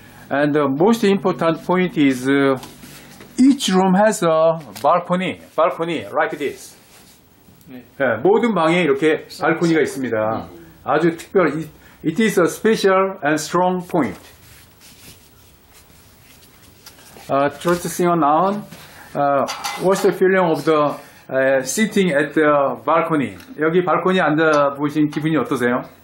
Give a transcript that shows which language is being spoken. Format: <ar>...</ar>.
<en>And the most important point is each room has a balcony like this.</en> <ko>네. 네, 모든 방에 이렇게 발코니가 있습니다. 아주 특별,</ko> <en>it is a special and strong point. Just sing on now. What's the feeling of the sitting at the balcony?</en> <ko>여기 발코니 앉아 보신 기분이 어떠세요?</ko>